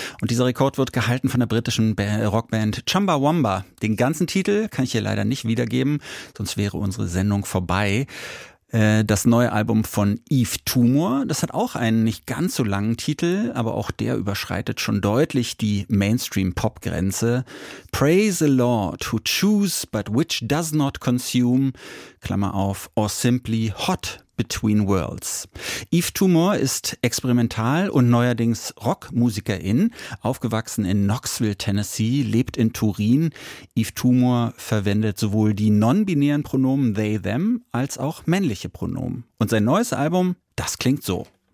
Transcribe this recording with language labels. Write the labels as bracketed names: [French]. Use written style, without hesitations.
[German] Und dieser Rekord wird gehalten von der britischen Rockband Chumbawamba. Den ganzen Titel kann ich hier leider nicht wiedergeben, sonst wäre unsere Sendung vorbei. Das neue Album von Eve Tumor, das hat auch einen nicht ganz so langen Titel, aber auch der überschreitet schon deutlich die Mainstream-Pop-Grenze. [English] Praise the Lord who chews but which does not consume, [German] Klammer auf, [English] or simply hot between worlds. [German] Eve Tumor ist experimental und neuerdings Rockmusikerin, aufgewachsen in Knoxville, Tennessee, lebt in Turin. Eve Tumor verwendet sowohl die non-binären Pronomen they, them, als auch männliche Pronomen. Und sein neues Album, das klingt so.